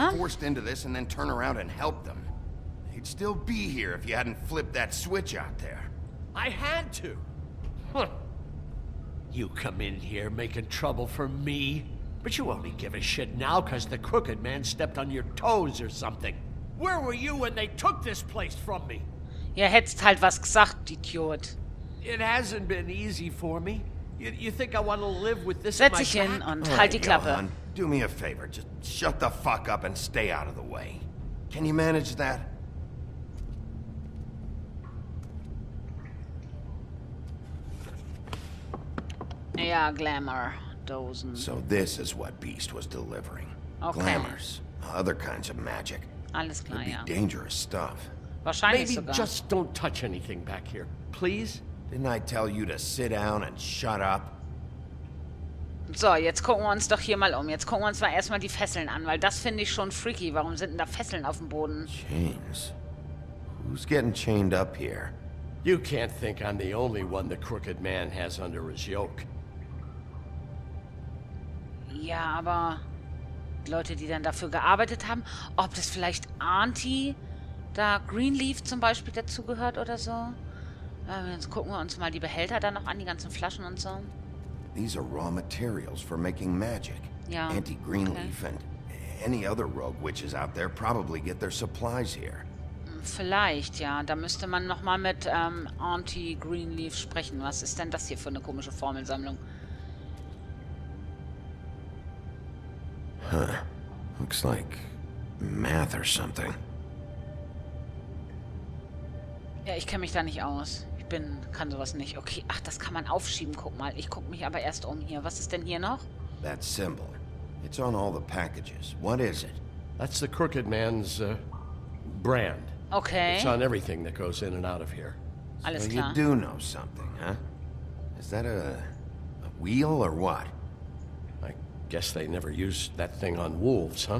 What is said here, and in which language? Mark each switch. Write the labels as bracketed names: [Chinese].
[English] You're forced into this and then turn around and help them. They'd still be here if you hadn't flipped that switch out there. I had to. You come in here making trouble for me, but you only give a shit now because the crooked man stepped on your toes or something. Where were you when they took this place from me? [German] Ja, hättest halt was gesagt, Idiot. [English] It hasn't been easy for me. You think I want to live with this? [German] Setz dich hin und halt die Klappe. [English] Johann, do me a favor. Just shut the fuck up and stay out of the way. Can you manage that? Yeah, glamour. Dozen. So this is what Beast was delivering. Okay. Glamours. Other kinds of magic. [German] Alles klar, [English] It'd be [German] ja. [English] Dangerous stuff. [German] Wahrscheinlich [English] Maybe [German] sogar. [English] Just don't touch anything back here, please? Didn't I tell you to sit down and shut up? [German] So, jetzt gucken wir uns doch hier mal um. Jetzt gucken wir uns mal erstmal die Fesseln an, weil das finde ich schon freaky. Warum sind denn da Fesseln auf dem Boden? [English] Chains? Who's getting chained up here? You can't think I'm the only one the crooked man has under his yoke. [German] Ja, aber Leute, die dann dafür gearbeitet haben, ob das vielleicht Auntie da Greenleaf zum Beispiel dazugehört oder so. Jetzt gucken wir uns mal die Behälter da noch an, die ganzen Flaschen und so. [English] These are raw materials for making magic. [German] Ja. [English] Auntie Greenleaf okay. and any other rogue witches out there probably get their supplies here. [German] Vielleicht, ja. Da müsste man nochmal mit Auntie Greenleaf sprechen. Was ist denn das hier für eine komische Formelsammlung? Huh. [English] Looks like math or something. [German] Ja, ich kenne mich da nicht aus. Ich bin, kann sowas nicht. Okay, ach, das kann man aufschieben. Guck mal, ich guck mich aber erst um hier. Was ist denn hier noch? [English] That symbol. It's on all the packages. What is it? That's the Crooked Man's brand. Okay. It's on everything that goes in and out of here. [German] Alles so klar. [English] You do know something, huh? Is that a wheel or what? Guess they never used that thing on wolves, huh?